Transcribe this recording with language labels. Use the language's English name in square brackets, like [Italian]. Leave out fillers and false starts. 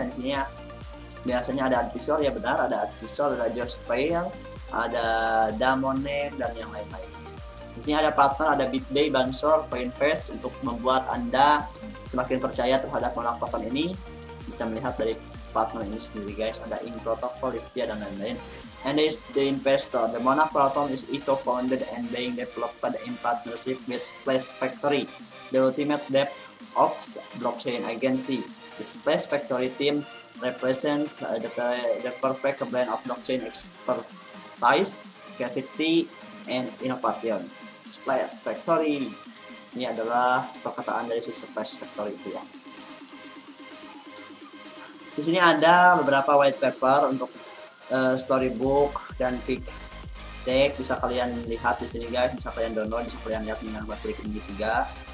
[Indonesian] Dan sini ya, biasanya ada advisor ya, benar ada advisor, ada Josh Pail, ada Damonek dan yang lain-lain. Di sini ada partner, ada Bitday, Bansor, Coinfest untuk membuat Anda semakin percaya terhadap Monarch Token ini. Bisa melihat dari partner ini sendiri guys, ada In Protocol, Istia dan lain-lain. [English] And is the investor, the Monarch Token is eco-founded and being developed in partnership with Splash Factory, the ultimate DevOps blockchain agency. The Splash Factory team represents the perfect blend of blockchain expertise, creativity, and innovation. [Indonesian] Splash Factory ini adalah perkataan dari si Splash Factory itu ya. Di sini ada beberapa white paper untuk storybook dan pick deck, bisa kalian lihat di sini guys, bisa kalian download, bisa kalian lihat dengan klik ini juga.